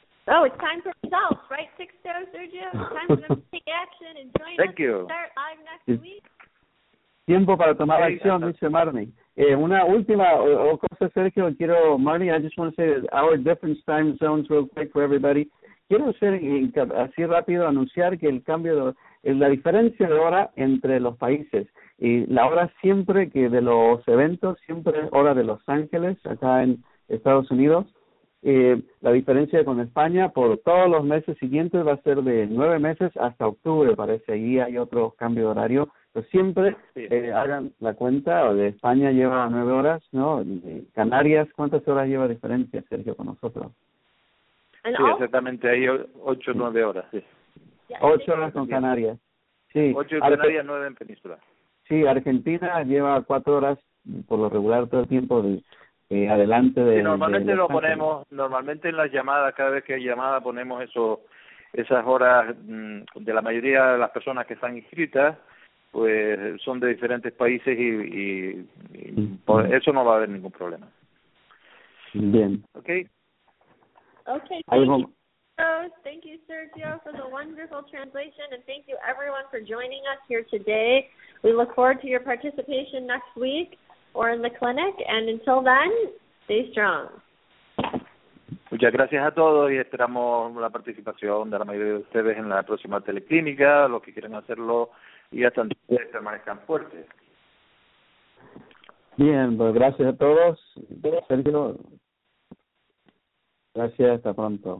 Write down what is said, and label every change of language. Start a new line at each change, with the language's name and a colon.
English: Oh, it's time for results, right, Sixto, Sergio? It's time for them to take action and join Thank us you. And start live next it's- week.
Spanish: Tiempo para tomar acción, dice Marnie. Una última cosa, Sergio.
English: Quiero, Marnie, I just want to say our different time zones real quick for everybody.
Spanish: Quiero hacer así rápido anunciar que el cambio es la diferencia de hora entre los países. Y la hora siempre que de los eventos, siempre es hora de Los Ángeles, acá en Estados Unidos. La diferencia con España por todos los meses siguientes va a ser de 9 meses hasta octubre, parece. Ahí hay otro cambio de horario. Pues siempre hagan la cuenta, o de España lleva 9 horas, ¿no? Canarias, ¿cuántas horas lleva diferencia, Sergio, con nosotros? Sí, exactamente, hay 8 o 9 horas, sí. 8 horas con Canarias, sí. 8 en Canarias, 9 en Península. Sí, Argentina lleva 4 horas por lo regular todo el tiempo adelante de... Sí, normalmente lo ponemos, normalmente en las llamadas, cada vez que hay llamada ponemos esas horas de la mayoría de las personas que están inscritas, pues son de diferentes países y por eso no va a haber ningún problema. Bien.
English: Okay. Okay. Thank you, Sergio, for the wonderful translation, and thank you everyone for joining us here today. We look forward to your participation next week or in the clinic, and until then, stay strong.
Spanish: Muchas gracias a todos y esperamos la participación de la mayoría de ustedes en la próxima teleclínica, los que quieran hacerlo. Y hasta entonces permanezcan fuertes. Bien, pues gracias a todos. Sergio, gracias, hasta pronto.